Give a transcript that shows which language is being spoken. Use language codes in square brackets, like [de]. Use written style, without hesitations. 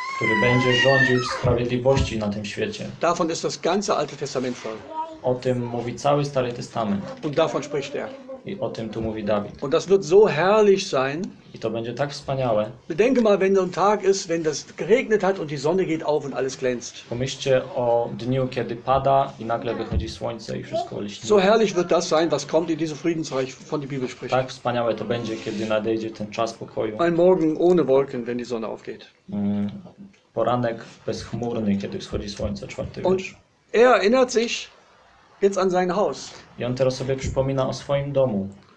[pl] Który będzie rządził w sprawiedliwości na tym świecie. [de] Davon ist das ganze Alte Testament voll. [pl] O tym mówi cały Stary Testament. [de] Und davon spricht er. [pl] I o tym tu mówi Dawid. [de] Und das wird so herrlich sein. [pl] I to będzie tak wspaniałe. [de] Bedenke mal, wenn so ein Tag ist, wenn das geregnet hat und die Sonne geht auf und alles glänzt. [pl] Pomyślcie o dniu, kiedy pada i nagle wychodzi słońce i wszystko liśni. [de] So herrlich wird das sein, was kommt in diesem Friedensreich, von der Bibel spricht. [pl] Tak wspaniałe to będzie, kiedy nadejdzie ten czas pokoju. [de] Ein Morgen ohne Wolken, wenn die Sonne aufgeht. [pl] Poranek bezchmurny, kiedy wschodzi słońce, czwarty wiersz. [de] Er erinnert sich jetzt an sein Haus. [pl] I on teraz sobie przypomina o swoim domu.